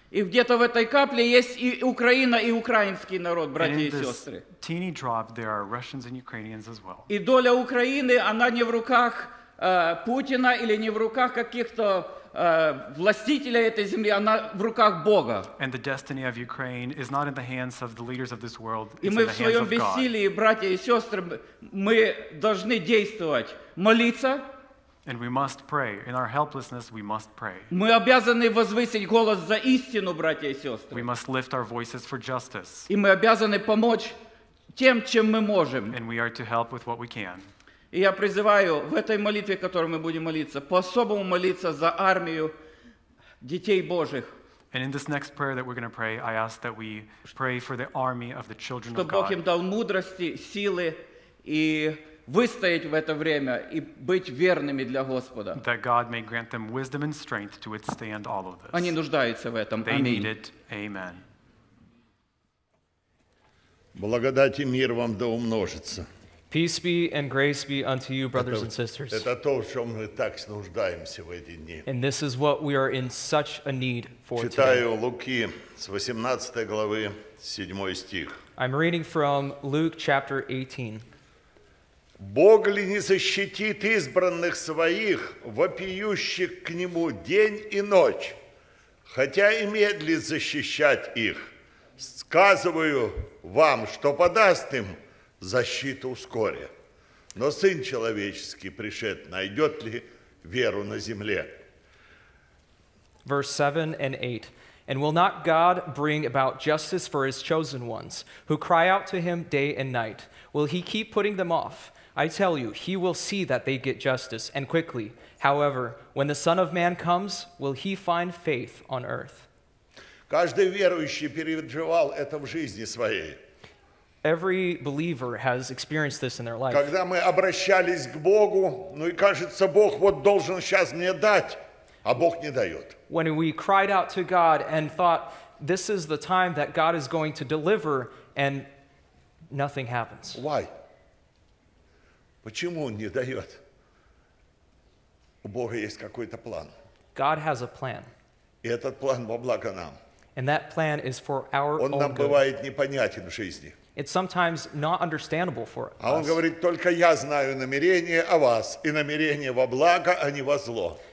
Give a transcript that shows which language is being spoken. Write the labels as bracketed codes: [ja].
[uk] І где-то в этой каплі є і Україна, і український народ, браті і сестри. [en] Teeny drop, there are Russians and Ukrainians as well. [ru] І доля України, вона не в руках Путіна или не в руках каких-то властителя этой земли, она в руках Бога. [en] And the destiny of Ukraine is not in the hands of the leaders of this world, it's in the hands of God. [ru] И мы в своем бессилии, братья и сестры, мы должны действовать, молиться. [en] And we must pray. In our helplessness, we must pray. [ru] Мы обязаны возвысить голос за истину, братья и сестры. [en] We must lift our voices for justice. [ru] И мы обязаны помочь тем, чем мы можем. [en] And we are to help with what we can. [ru] И я призываю в этой молитве, которую мы будем молиться, по-особому молиться за армию детей Божьих. [en] And in this next prayer that we're going to pray, I ask that we pray for the army of the children of God. [ru] Чтобы Бог им дал мудрости, силы и выстоять в это время и быть верными для Господа. [en] That God may grant them wisdom and strength to withstand all of this. [ru] Они нуждаются в этом. [en] They need it. Amen. [ru] Благодать и мир вам да умножится. [en] Peace be and grace be unto you, brothers and sisters. [ru] Это то, в чём мы так нуждаемся в эти дни. [en] And this is what we are in such a need for today. [ru] Читаю Луки с 18 главы, 7 стих. [en] I'm reading from Luke chapter 18. [ru] Бог ли не защитит избранных своих, вопиющих к нему день и ночь, хотя и медлит защищать их? Сказываю вам, что подаст им защиту вскоре. Но Сын Человеческий пришед, найдет ли веру на земле? [en] Verse 7 and 8. And will not God bring about justice for his chosen ones, who cry out to him day and night? Will he keep putting them off? I tell you, he will see that they get justice, and quickly. However, when the Son of Man comes, will he find faith on earth? [ru] Каждый верующий переживал это в жизни своей. [en] Every believer has experienced this in their life. [ru] Когда мы обращались к Богу, ну и кажется, Бог вот должен сейчас мне дать, а Бог не дает. [en] When we cried out to God and thought, this is the time that God is going to deliver, and nothing happens. Why? [ru] Почему он не дает? У Бога есть какой-то план. [en] God has a plan. [ru] И этот план во благо нам. [en] And that plan is for our own good. [ru] Он нам бывает непонятен в жизни. [en] It's sometimes not understandable for us. [ru] А он говорит, только я знаю намерение о вас, и намерение во благо, а не во зло.